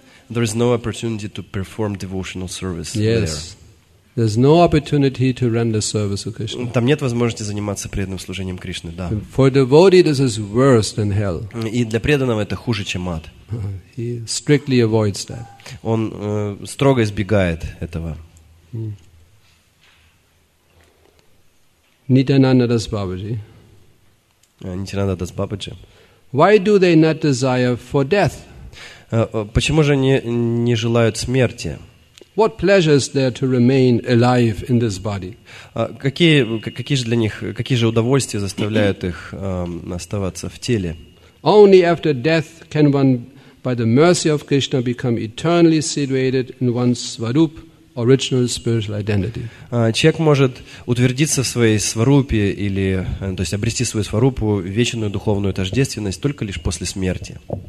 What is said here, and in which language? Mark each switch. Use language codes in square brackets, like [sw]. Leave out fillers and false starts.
[en] There is no opportunity to perform devotional service yes. there. There's no opportunity to render service to Krishna. [ru] Там нет возможности заниматься преданным служением Кришны, да. [en] For devotee, this is worse than hell. [ru] И для преданного это хуже, чем ад. [en] He strictly avoids that. [ru] Он строго избегает этого. [en] Nityananda Das Babaji. Nityananda Das Babaji. Why do they not desire for death? [ru] Почему же они не желают смерти? [en] What pleasure is there to remain alive in this body? [ru] Какие же для них какие же удовольствия заставляют их оставаться в теле? [en] Only after death can one, by the mercy of Krishna, become eternally situated in one's swarup, original spiritual identity. [ru] Человек может утвердиться в своей сварупе или, то есть, обрести свою сварупу, вечную духовную тождественность только лишь после смерти.